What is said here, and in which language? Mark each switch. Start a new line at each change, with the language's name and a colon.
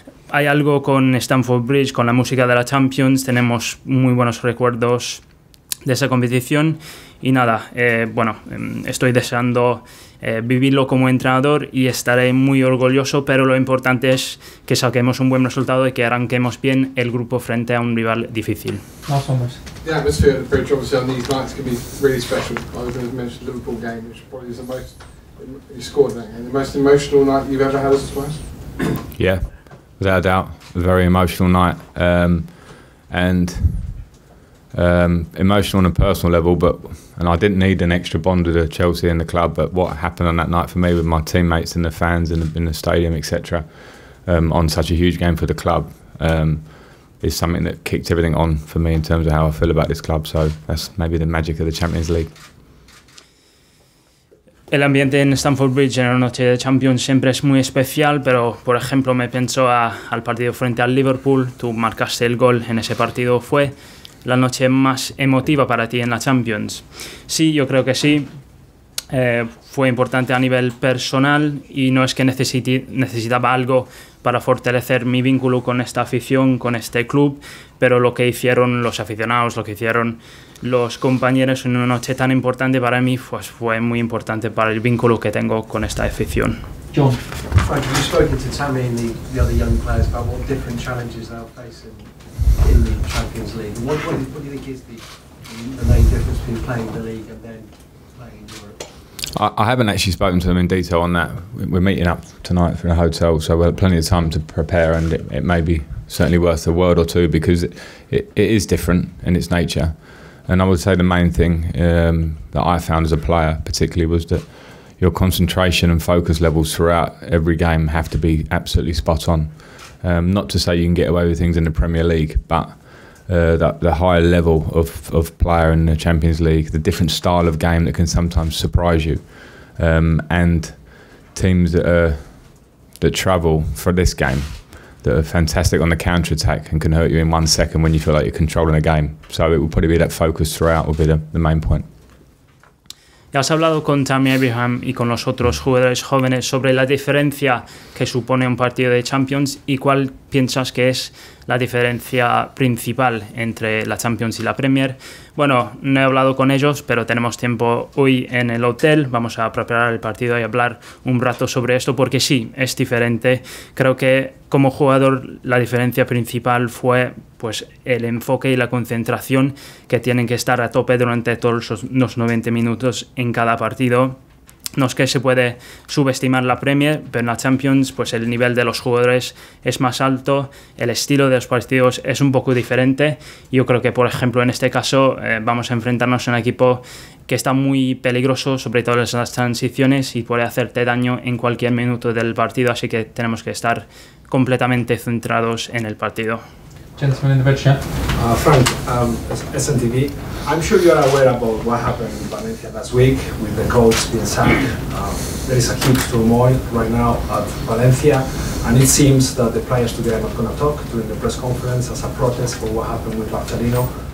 Spanish: Hay algo con Stamford Bridge, con la música de la Champions, tenemos muy buenos recuerdos de esa competición y nada, bueno, estoy deseando vivirlo como entrenador y estaré muy orgulloso, pero lo importante es que saquemos un buen resultado y que arranquemos bien el grupo frente a un rival difícil. Más o menos.
English: The atmosphere at the bridge, obviously on these nights, can be really special. I was going to mention the Liverpool game, which probably is the most, you scored that game, the most emotional night you've ever had as a player. Yeah, without a doubt, a very emotional night. Emotional on a personal level, and I didn't need an extra bond with the Chelsea and the club, but what happened on that night for me with my teammates and the fans and in the stadium, etc., on such a huge game for the club, is something that kicked everything on for me in terms of how I feel about this club. So that's maybe the magic of the Champions League.
Spanish: El ambiente en Stamford Bridge en la noche de Champions siempre es muy especial, pero por ejemplo me pienso al partido frente al Liverpool. Tú marcaste el gol en ese partido, fue la noche más emotiva para ti en la Champions. Sí, yo creo que sí. Fue importante a nivel personal y no es que necesitaba algo para fortalecer mi vínculo con esta afición, con este club, pero lo que hicieron los aficionados, lo que hicieron los compañeros en una noche tan importante para mí, pues fue muy importante para el vínculo que tengo con esta afición.
English: John. Frank, have you spoken to Tammy and the other young players about what different challenges they'll face in the Champions League? What do you think is the main difference between playing the league and then playing Europe? I haven't actually spoken to them in detail on that. We're meeting up tonight for a hotel, so we'll have plenty of time to prepare, and it may be certainly worth a word or two because it is different in its nature. And I would say the main thing that I found as a player particularly was that your concentration and focus levels throughout every game have to be absolutely spot on. Not to say you can get away with things in the Premier League, but the higher level of player in the Champions League, the different style of game that can sometimes surprise you, and teams that travel for this game that are fantastic on the counter attack and can hurt you in 1 second when you feel like you're controlling a game. So it will probably be that focus throughout will be the main point.
Spanish: ¿Has hablado con Tammy Abraham y con los otros jugadores jóvenes sobre la diferencia que supone un partido de Champions y cuál piensas que es la diferencia principal entre la Champions y la Premier? Bueno, no he hablado con ellos, pero tenemos tiempo hoy en el hotel. Vamos a preparar el partido y hablar un rato sobre esto, porque sí, es diferente. Creo que como jugador la diferencia principal fue pues el enfoque y la concentración que tienen que estar a tope durante todos los 90 minutos en cada partido. No es que se puede subestimar la Premier, pero en la Champions pues el nivel de los jugadores es más alto, el estilo de los partidos es un poco diferente. Yo creo que, por ejemplo, en este caso vamos a enfrentarnos a un equipo que está muy peligroso, sobre todo en las transiciones, y puede hacerte daño en cualquier minuto del partido, así que tenemos que estar completamente centrados en el partido.
English: Gentlemen in the red shirt. Frank, SNTV. I'm sure you're aware about what happened in Valencia last week with the coach being sacked. There is a huge turmoil right now at Valencia, and it seems that the players today are not going to talk during the press conference as a protest for what happened with Bartolino.